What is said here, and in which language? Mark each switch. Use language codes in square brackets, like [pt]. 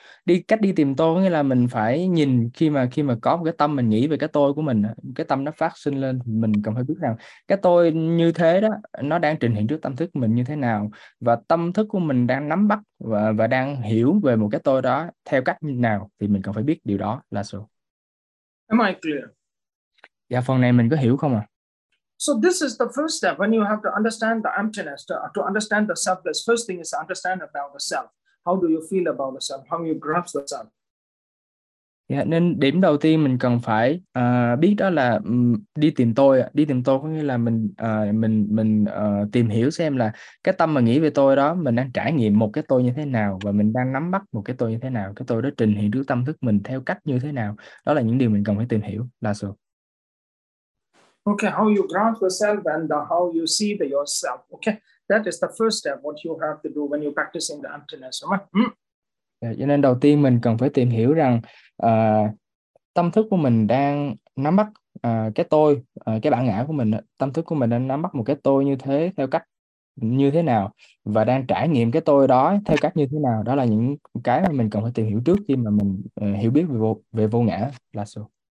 [vi] Đi cách đi tìm tôi có nghĩa là mình phải nhìn, khi mà có một cái tâm mình nghĩ về cái tôi của mình, cái tâm nó phát sinh lên, mình cần phải biết rằng cái tôi như thế đó nó đang trình hiện trước tâm thức mình như thế nào, và tâm thức của mình đang nắm bắt và đang hiểu về một cái tôi đó theo cách như nào, thì mình cần phải biết điều đó là sao. [en] Am I clear? [vi] Dạ, phần này mình có hiểu không ạ? À? [en] So this is the first step when you have to understand the emptiness, to understand the self. This first thing is to understand about the self. How do you feel about the self? How you grasp the self? [vi] Dạ, nên điểm đầu tiên mình cần phải biết đó là đi tìm tôi. Đi tìm tôi có nghĩa là mình tìm hiểu xem là cái tâm mà nghĩ về tôi đó, mình đang trải nghiệm một cái tôi như thế nào, và mình đang nắm bắt một cái tôi như thế nào, cái tôi đó trình hiện trước tâm thức mình theo cách như thế nào. Đó là những điều mình cần phải tìm hiểu là sự. [en] Okay, how you grasp yourself and how you see the yourself. Okay, that is the first step what you have to do when you're practicing the emptiness. [vi] Cho nên đầu tiên mình cần phải tìm hiểu rằng tâm thức của mình đang nắm bắt cái tôi, cái bản ngã của mình, tâm thức của mình đang nắm bắt một cái tôi như thế theo cách như thế nào, và đang trải nghiệm cái tôi đó theo cách như thế nào. Đó là những cái mà mình cần phải tìm hiểu trước khi mà mình hiểu biết về vô ngã là sao.